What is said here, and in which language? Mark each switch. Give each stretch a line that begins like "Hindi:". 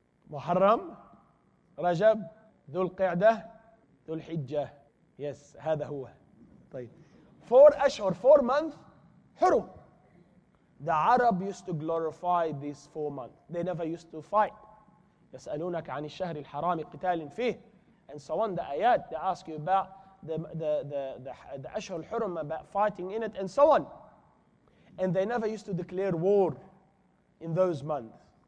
English: Muharram, Rajab, Dhul Qi'dah, Dhul Hijjah. Yes,
Arabic: هذا هو.
English: Four Ashhur, 4 months, Hurum. The Arab used to glorify these 4 months. They never used to fight.
Arabic: يسألونك عن الشهر الحرام قتال فيه.
English: And so on, the ayat, they ask you about the Ashhur al-Hurum, about fighting in it, and so on. And they never used to declare war in those months.